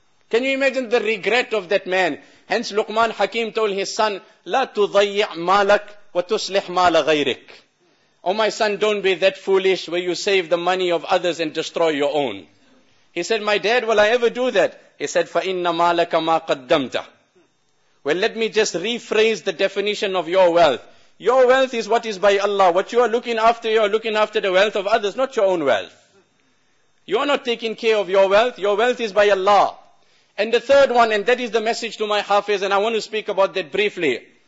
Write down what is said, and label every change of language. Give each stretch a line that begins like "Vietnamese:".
English: Can you imagine the regret of that man? Hence Luqman Hakim told his son,
Arabic: La tudayya' malak wa tuslih mala ghayrik.
English: Oh my son, don't be that foolish where you save the money of others and destroy your own. He said, my dad, will I ever do that? He said,
Arabic: فَإِنَّ مَالَكَ مَا قَدَّمْتَ.
English: Well, let me just rephrase the definition of your wealth. Your wealth is what is by Allah. What you are looking after the wealth of others, not your own wealth. You are not taking care of your wealth. Your wealth is by Allah. And the third one, and that is the message to my hafiz, and I want to speak about that briefly.